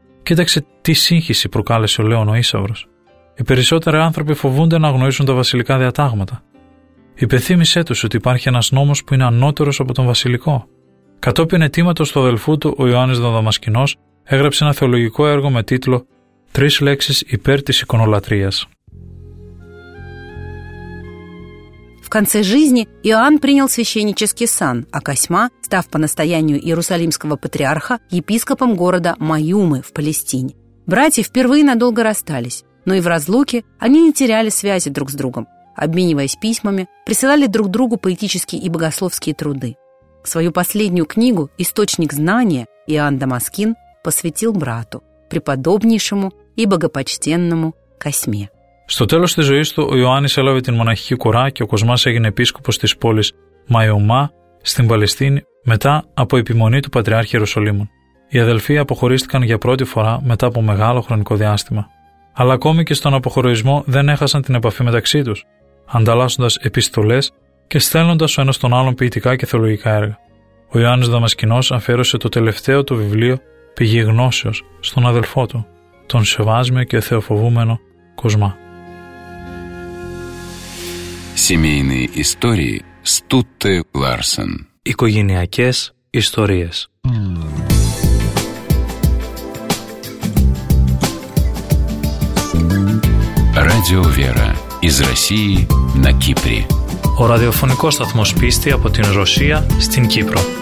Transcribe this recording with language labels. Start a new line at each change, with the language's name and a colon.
Greek: Κοίταξε τι σύγχυση προκάλεσε ο Λέων ο Ίσαυρος. Οι περισσότεροι άνθρωποι φοβούνται να αγνοήσουν τα βασιλικά διατάγματα. Υπενθύμησέ τους ότι υπάρχει ένας νόμος που είναι ανώτερος από τον βασιλικό». Κατόπιν αιτήματος του αδελφού του, ο Ιωάννης Δαδαμασκηνός έγραψε ένα θεολογικό έργο με τίτλο «Τρεις λέξεις υπέρ της εικονολατρείας».
Russian: В конце жизни Иоанн принял священнический сан, а Косьма, став по настоянию Иерусалимского патриарха, епископом города Маюмы в Палестине. Братья впервые надолго расстались, но и в разлуке они не теряли связи друг с другом. Обмениваясь письмами, присылали друг другу поэтические и богословские труды. Свою последнюю книгу «Источник знания» Иоанн Дамаскин посвятил брату, преподобнейшему и богопочтенному Косьме.
Greek: Στο τέλος της ζωής του, ο Ιωάννης έλαβε την μοναχική κορά και ο Κοσμάς έγινε επίσκοπος της πόλης Μαϊωμά στην Παλαιστίνη μετά από επιμονή του Πατριάρχη Ιερουσαλήμων. Οι αδελφοί αποχωρίστηκαν για πρώτη φορά μετά από μεγάλο χρονικό διάστημα. Αλλά ακόμη και στον αποχωρισμό δεν έχασαν την επαφή μεταξύ τους, ανταλλάσσοντας επιστολές και στέλνοντας ο ένας τον άλλον ποιητικά και θεολογικά έργα. Ο Ιωάννης Δαμασκηνός αφιέρωσε το τελευταίο του βιβλίο «Πηγή Γνώσεως» στον αδελφό του, τον σεβάσμιο και θεοφοβούμενο Κοσμά.
Russian: Семейные истории Стутте Ларсен.
Greek: Οικογενειακές ιστορίες.
Russian: Радио Вера из России на Кипре.
Greek: Ο ραδιοφωνικός σταθμός πίστη από την Ρωσία στην Κύπρο.